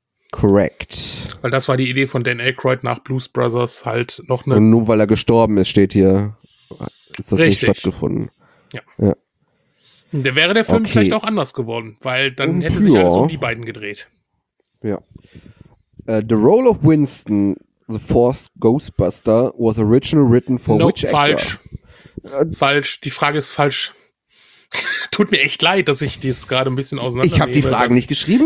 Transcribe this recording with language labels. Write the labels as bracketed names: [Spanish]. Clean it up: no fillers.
[English] Correct. [German] Weil das war die Idee von Dan Aykroyd nach Blues Brothers halt noch eine. Und nur weil er gestorben ist, steht hier, ist das richtig. Nicht stattgefunden. Ja. Ja. Der wäre der Film okay. Vielleicht auch anders geworden, weil dann hätte sich alles um die beiden gedreht. Ja. [English] The Role of Winston, the Fourth Ghostbuster, was original written for which actor? [German] Falsch. Falsch. Die Frage ist falsch. Tut mir echt leid, dass ich dies gerade ein bisschen auseinander. Ich habe die Fragen nicht geschrieben.